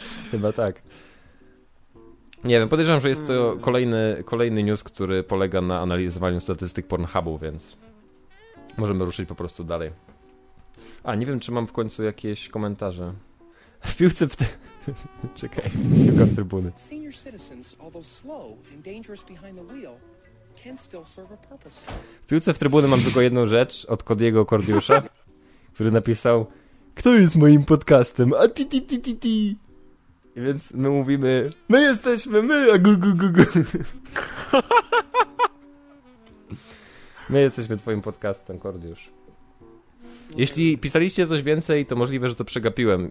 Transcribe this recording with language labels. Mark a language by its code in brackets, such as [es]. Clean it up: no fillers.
[pl] Chyba tak. Nie wiem, podejrzewam, że jest to kolejny news, który polega na analizowaniu statystyk Pornhubu, więc możemy ruszyć po prostu dalej. A, nie wiem, czy mam w końcu jakieś komentarze. W piłce w... Czekaj, piłka w trybuny. [en] Senior citizens, although slow and dangerous behind the wheel, can still serve a purpose. [pl] W piłce w trybuny mam tylko jedną rzecz od Kodiego Kordiusza, który napisał: kto jest moim podcastem? A ti ti ti ti ti. I więc my mówimy: my jesteśmy my, a gu gu gu gu. My jesteśmy twoim podcastem, Kordiusz. Jeśli pisaliście coś więcej, to możliwe, że to przegapiłem.